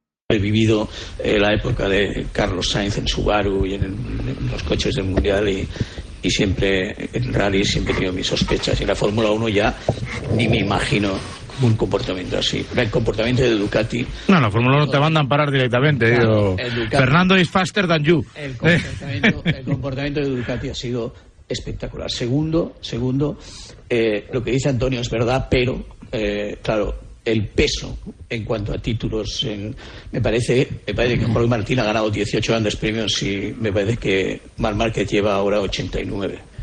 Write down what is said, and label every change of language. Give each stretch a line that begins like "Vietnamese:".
Spanish: He vivido la época de Carlos Sainz en Subaru y en los coches del Mundial y siempre en rally siempre he tenido mis sospechas. Y en la Fórmula 1 ya ni me imagino un comportamiento así. El comportamiento de Ducati... No, en la Fórmula 1 te mandan parar directamente. Claro, digo,
English: Ducati, Fernando is faster than you.
Spanish: El comportamiento de Ducati ha sido espectacular. Segundo, lo que dice Antonio es verdad, pero claro... El peso en cuanto a títulos, me parece que Jorge Martín ha ganado 18 grandes premios y me parece que Marc Márquez lleva ahora 89.